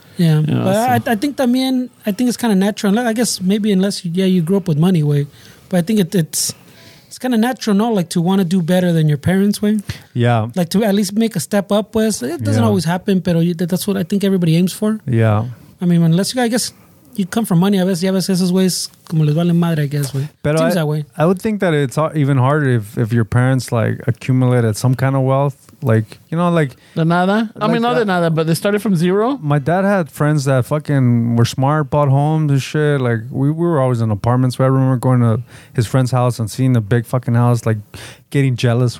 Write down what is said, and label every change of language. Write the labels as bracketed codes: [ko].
[en] Yeah. You know, but so. I think it's kind of natural. I guess maybe unless, you grew up with money, way. But I think it's kind of natural, no? Like to want to do better than your parents, way. Yeah. Like to at least make a step up, pues. It doesn't always happen, pero that's what I think everybody aims for. Yeah. I mean, unless you, I guess you come from money. [es] A veces esos güeyes como les vale madre, I guess, güey. [en] Pero seems that way. I would think that it's even harder if your parents like accumulated some kind of wealth. Like, you know, like... [es] De nada? [en] Like, I mean, not de nada, but they started from zero? My dad had friends that fucking were smart, bought homes and shit. Like, we were always in apartments. I remember going to his friend's house and seeing the big fucking house, like, getting jealous.